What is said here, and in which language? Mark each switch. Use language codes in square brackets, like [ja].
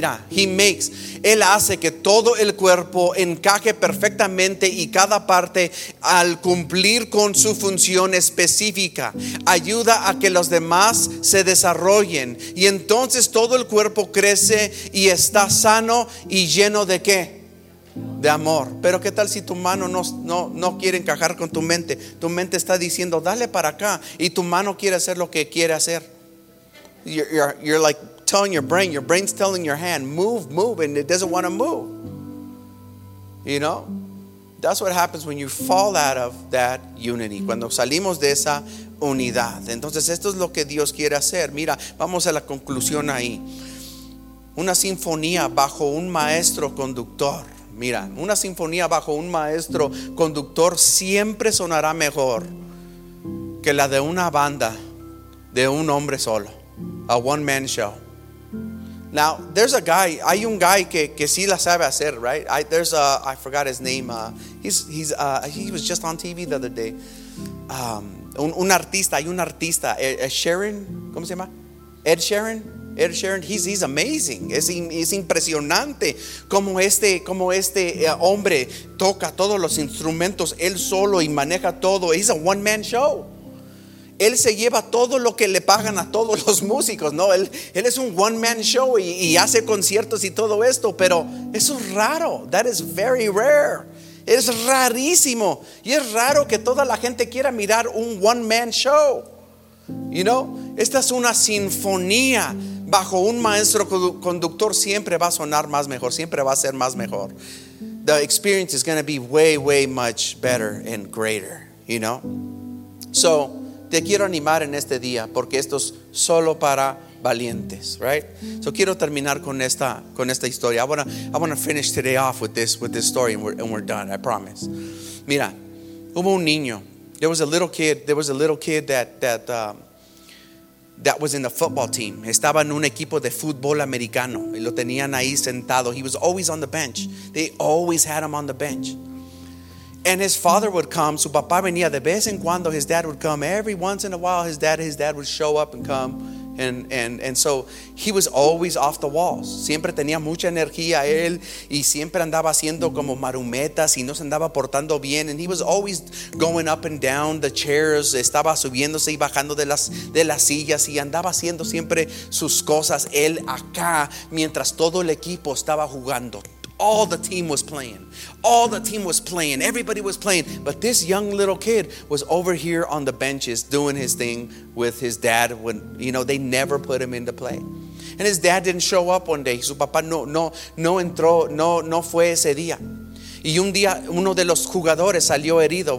[es] Él hace que todo el cuerpo encaje perfectamente, y cada parte, al cumplir con su función específica, ayuda a que los demás se desarrollen, y entonces todo el cuerpo crece y está sano y lleno de ¿qué? De amor. Pero ¿qué tal si tu mano no quiere encajar con tu mente? Tu mente está diciendo dale para acá, y tu mano quiere hacer lo que quiere hacer. [en] You're like telling your brain's telling your hand, move, and it doesn't want to move. You know? That's what happens when you fall out of that unity. [es] Cuando salimos de esa unidad. Entonces, esto es lo que Dios quiere hacer. Mira, vamos a la conclusión ahí. Una sinfonía bajo un maestro conductor. Mira, una sinfonía bajo un maestro conductor siempre sonará mejor que la de una banda de un hombre solo. [en] A one man show. Now there's a guy. [es] Hay un guy que sí la sabe hacer, right? [en] I forgot his name. He was just on TV the other day. [es] Un artista. Sharon. ¿Cómo se llama? [en] Ed Sheeran. He's amazing. [es] Es impresionante como este hombre toca todos los instrumentos él solo y maneja todo. [en] He's a one man show. [es] Él se lleva todo lo que le pagan a todos los músicos, ¿no? Él es un one man show y hace conciertos y todo esto, pero eso es raro. [en] That is very rare. [es] Es rarísimo. Y es raro que toda la gente quiera mirar un one man show. [en] You know? [es] Esta es una sinfonía bajo un maestro conductor. Siempre va a sonar más mejor, siempre va a ser más mejor. [en] The experience is going to be way, way much better and greater. you know. [es] So, te quiero animar en este día porque esto es solo para valientes, right? So quiero terminar con esta historia. [en] I want to finish today off with this story and we're done, I promise. [es] Mira, hubo un niño. [en] There was a little kid that was in the football team. [es] Estaba en un equipo de fútbol americano y lo tenían ahí sentado. [en] He was always on the bench. They always had him on the bench. And his father would come. Su papá venía de vez en cuando. His dad would come every once in a while. His dad would show up and come. And so he was always off the walls. [es] Siempre tenía mucha energía él y siempre andaba haciendo como marumetas y no se andaba portando bien. [en] And he was always going up and down the chairs. [es] Estaba subiéndose y bajando de las sillas y andaba haciendo siempre sus cosas él acá mientras todo el equipo estaba jugando. [en] All the team was playing. All the team was playing. Everybody was playing. But this young little kid was over here on the benches doing his thing with his dad when, you know, they never put him into play. And his dad didn't show up one day. [es] Su papá no entró, no fue ese día. Y un día uno de los jugadores salió herido.